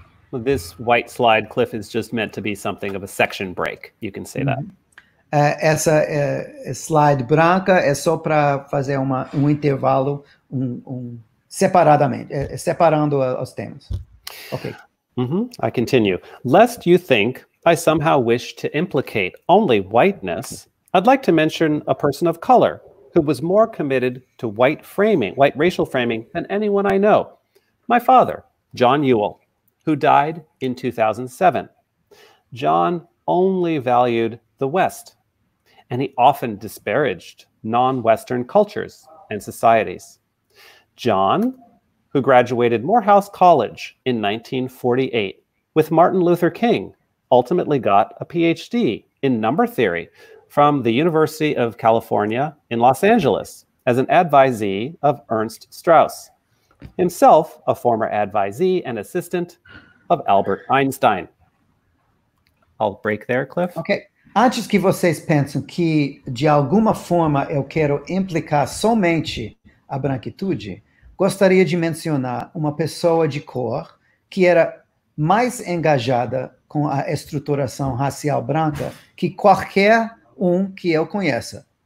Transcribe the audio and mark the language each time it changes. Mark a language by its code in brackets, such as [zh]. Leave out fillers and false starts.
[en] Well, this white slide, Cliff, is just meant to be something of a section break. You can say mm-hmm. that. [pt] Essa slide branca é só para fazer um intervalo, separando os temas. Okay. [en] Mm-hmm. I continue. Lest you think I somehow wish to implicate only whiteness, I'd like to mention a person of color who was more committed to white racial framing than anyone I know. My father, John Ewell, who died in 2007. John only valued the West, and he often disparaged non-Western cultures and societies. John, who graduated Morehouse College in 1948 with Martin Luther King, ultimately got a PhD in number theory from the University of California in Los Angeles as an advisee of Ernst Strauss, himself a former advisee and assistant of Albert Einstein. I'll break there, Cliff. Okay. [pt] Antes que vocês pensem que de alguma forma eu quero implicar somente a branquitude, gostaria de mencionar uma pessoa de cor que era mais engajada com a estruturação racial branca que qualquer um que eu conheça.